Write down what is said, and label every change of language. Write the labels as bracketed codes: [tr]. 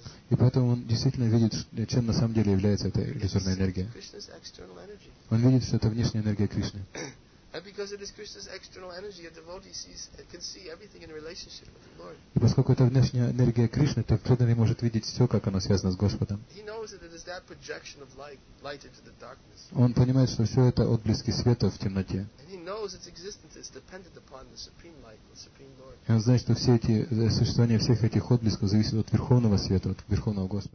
[ru] И поэтому он действительно видит, чем на самом деле является эта иллюзорная энергия. Он видит, что это внешняя энергия Кришны. [en] And because it is Krishna's external energy, a devotee sees, can see everything in relationship with the Lord. [ru] И поскольку это внешняя энергия Кришны, то преданный может видеть все, как оно связано с Господом. [en] He knows that it is that projection of light into the darkness. [ru] Он понимает, что все это отблески света в темноте. [en] And he knows its existence is dependent upon the supreme light, the supreme Lord. [ru] И он знает, что все эти существование всех этих отблесков зависит от верховного света, от верховного Господа.